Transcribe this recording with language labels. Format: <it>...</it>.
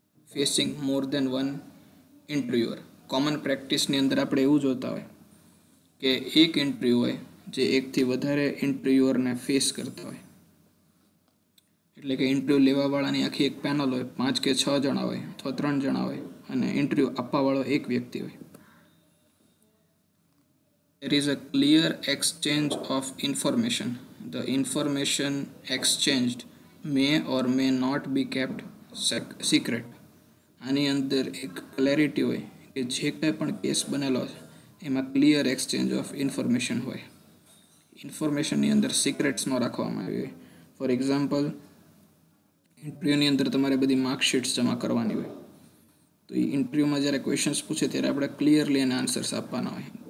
<en>Facing more than one interviewer.</en> <gu>Common પ્રેક્ટિસની અંદર આપણે એવું જોતા હોય કે એક ઇન્ટરવ્યુ હોય જે એકથી વધારે ઇન્ટરવ્યુઅરને ફેસ કરતા હોય, એટલે કે ઇન્ટરવ્યુ લેવાવાળાની આખી એક પેનલ હોય, પાંચ કે છ જણા હોય અથવા ત્રણ જણા હોય, અને ઇન્ટરવ્યુ આપવાવાળો એક વ્યક્તિ હોય.</gu> <en>There is a clear exchange of information. The information exchanged may or may not be kept secret.</en> <gu>આની અંદર એક ક્લેરિટી હોય કે જે કંઈ પણ કેસ બનેલો છે એમાં</gu> <en>clear exchange of information</en> <gu>હોય, ઇન્ફોર્મેશનની અંદર સિક્રેટ્સ ન રાખવામાં આવી હોય.</gu> <en>for example,</en> <gu>ઇન્ટરવ્યુની અંદર તમારે બધી માર્કશીટ્સ જમા કરવાની હોય, તો એ ઇન્ટરવ્યુમાં જ્યારે ક્વેશ્ચન્સ પૂછે ત્યારે આપણે ક્લિયરલી એને આન્સર્સ આપવાના હોય.</gu>